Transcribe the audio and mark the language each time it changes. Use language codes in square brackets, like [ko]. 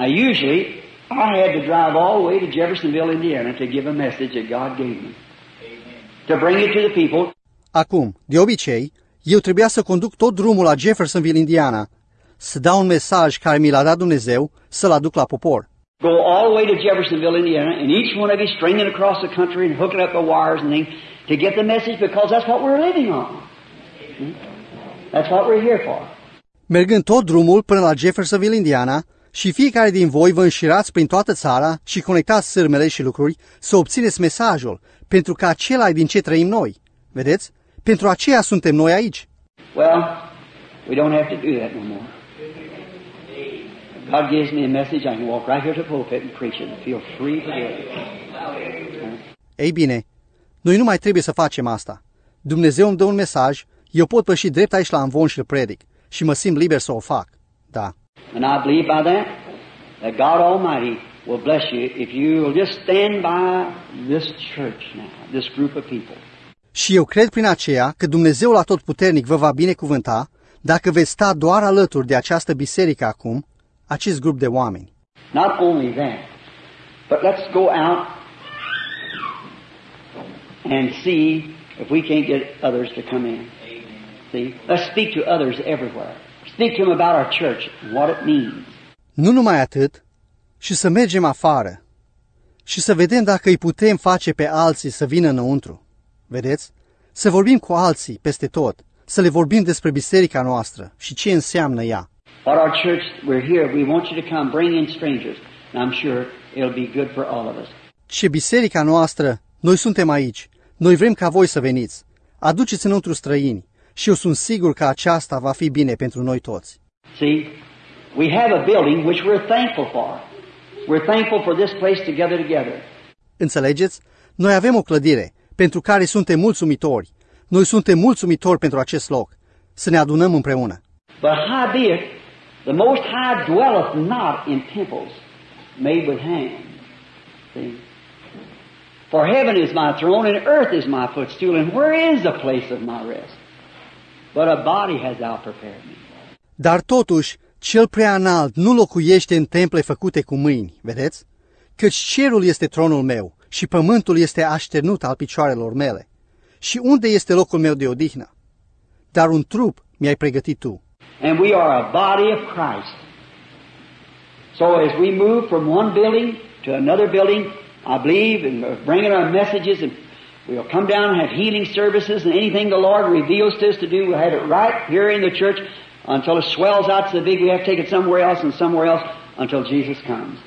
[en] Usually, I had to drive all the way to Jeffersonville, Indiana to give a message that God gave me. To bring it to the people. [ro] Acum, de obicei, eu trebuia să conduc tot drumul la Jeffersonville, Indiana, să dau un mesaj care mi l-a dat Dumnezeu, să-l aduc la popor. [en] Go all the way to Jeffersonville, Indiana, and each one of you stringing across the country and hooking up the wires and things to get the message, because that's what we're living on. That's what we're here for. [ro] Mergând tot drumul până la Jeffersonville, Indiana, și fiecare din voi vă înșirați prin toată țara și conectați sârmele și lucruri să obțineți mesajul, pentru că acela e din ce trăim noi. Vedeți? Pentru aceea suntem noi aici. [en] Well, we don't have to do that no more. God gives me a message, I can walk right here to the pulpit and preach it and feel free to do it. [ro] Ei bine, noi nu mai trebuie să facem asta. Dumnezeu îmi dă un mesaj, eu pot păși drept aici la amvon și îl predic și mă simt liber să o fac. Da. [en] And I believe by that, that God Almighty will bless you if you will just stand by this church now, this group of people. [ro] Și eu cred prin aceea că Dumnezeul Atotputernic vă va binecuvânta dacă veți sta doar alături de această biserică acum, acest grup de oameni. [en] Not only that, but let's go out and see if we can't get others to come in. See? Let's speak to others everywhere. Speak to them about our church and what it means. [ro] Nu numai atât, și să mergem afară și să vedem dacă îi putem face pe alții să vină înăuntru. Vedeți? Să vorbim cu alții peste tot, să le vorbim despre biserica noastră și ce înseamnă ea. [en] But our church, we're here, we want you to come, bring in strangers. And I'm sure it'll be good for all of us. [ro] Ce biserica noastră, noi suntem aici, noi vrem ca voi să veniți. Aduceți înăuntru străini și eu sunt sigur că aceasta va fi bine pentru noi toți. [en] See, we have a building which we're thankful for. We're thankful for this place together, together. [ro] Înțelegeți? Noi avem o clădire pentru care suntem mulțumitori. Noi suntem mulțumitori pentru acest loc. Să ne adunăm împreună. [en] But howbeit, the Most High dwelleth not in temples made with hands. See? For heaven is my throne, and earth is my footstool, and where is the place of my rest? But a body has thou prepared me. [ro] Dar totuși, Cel Preanalt nu locuiește în temple făcute cu mâini, vedeți? Căci cerul este tronul meu și pământul este așternut al picioarelor mele. Și unde este locul meu de odihnă? Dar un trup mi-ai pregătit tu. [en] And we are a body of Christ. So as we move from one building to another building, I believe in bringing our messages, and we'll come down and have healing services, and anything the Lord reveals to us to do, we'll have it right here in the church. Until it swells out so big, we have to take it somewhere else and somewhere else until Jesus comes.